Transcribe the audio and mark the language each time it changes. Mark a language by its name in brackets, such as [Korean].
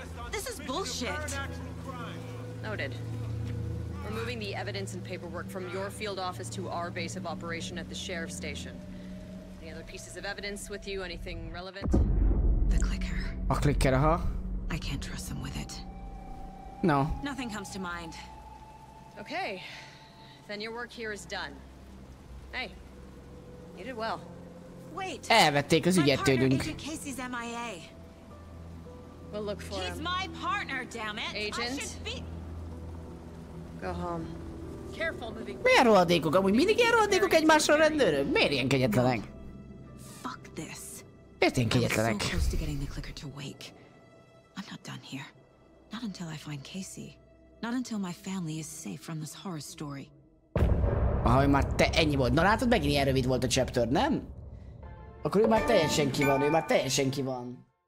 [English] This is bullshit. Noted. Removing the evidence and paperwork from your field office to our base of operation at the sheriff's station. Any other pieces of evidence with you? Anything relevant? The clicker. [Hungarian] A clicker, aha. [English] I can't trust them with it. No. Nothing comes to mind. Okay, then your work here is done. Hey, you did well. Wait. [Hungarian] Elvették az ügyet tőlünk. [English] Agent Casey's MIA. We'll look for him. He's my partner, damn it. Agent. Go home. Careful moving. [Hungarian] Milyen rohadékok, amúgy mindig ilyen rohadékok egymásra, rendőrök? Miért ilyen kegyetlenek? [English] Fuck this. [Hungarian] Miért ilyen kegyetlenek? [English] I'm so close to getting the clicker to wake. I'm not done here. Not until I find Casey. Not until my family is safe from this horror story. [Hungarian] Aha, ő már te ennyi volt. Na látod, megint ilyen rövid volt a chapter, nem? Akkor ő már teljesen ki van, ő már teljesen ki van.